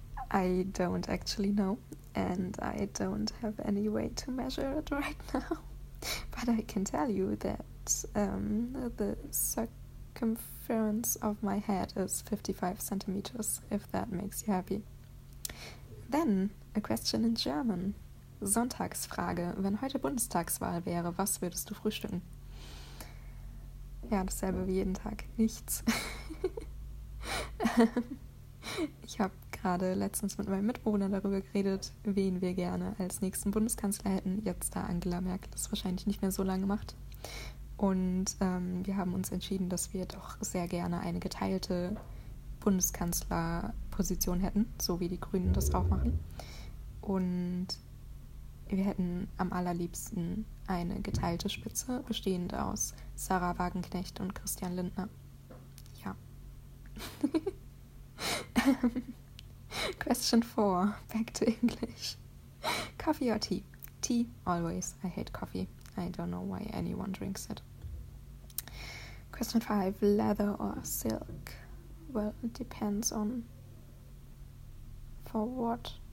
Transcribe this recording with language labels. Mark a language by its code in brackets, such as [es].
[en] I don't actually know. And I don't have any way to measure it right now. But I can tell you that the circumference of my head is 55 centimeters, if that makes you happy. Then, a question in German. [de] Sonntagsfrage. Wenn heute Bundestagswahl wäre, was würdest du frühstücken? Ja, dasselbe wie jeden Tag. Nichts. Ich habe gerade letztens mit meinem Mitbewohner darüber geredet, wen wir gerne als nächsten Bundeskanzler hätten, jetzt da Angela Merkel das wahrscheinlich nicht mehr so lange macht. Und wir haben uns entschieden, dass wir doch sehr gerne eine geteilte Bundeskanzlerposition hätten, so wie die Grünen das auch machen. Und wir hätten am allerliebsten eine geteilte Spitze, bestehend aus Sarah Wagenknecht und Christian Lindner. Ja. [en] Question 4, back to English. Coffee or tea? Tea, always. I hate coffee. I don't know why anyone drinks it. Question 5, leather or silk? Well, it depends on for what.